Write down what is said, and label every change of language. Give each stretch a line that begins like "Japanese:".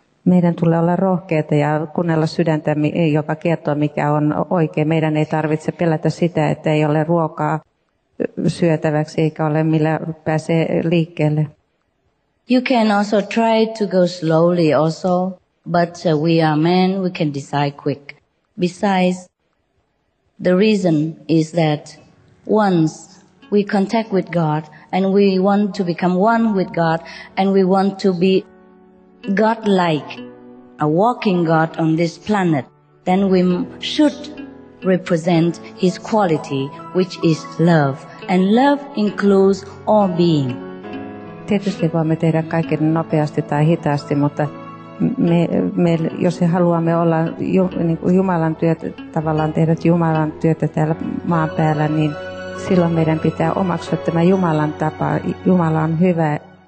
Finnish: Meidän tulee olla rohkeita ja kuunnella sydäntä, joka kertoo mikä on oikein. Meidän ei tarvitse pelätä sitä, että ei ole ruokaa syötäväksi eikä ole millä pääsee liikkeelle.
English: You can also try to go slowly also, but we are men, we can decide quick. Besides, the reason is that once we contact with God and we want to become one with God and we want to be God-like, a walking God on this planet, then we should represent his quality, which is love. And love includes all being.
Finnish: Tietysti voimme tehdä kaiken nopeasti tai hitaasti, mutta me jos haluamme olla niin kuin Jumalan työtä, tavallaan tehdä Jumalan työtä täällä maan päällä, niin silloin meidän pitää omaksua tämä Jumalan tapa. Jumala on hyvä.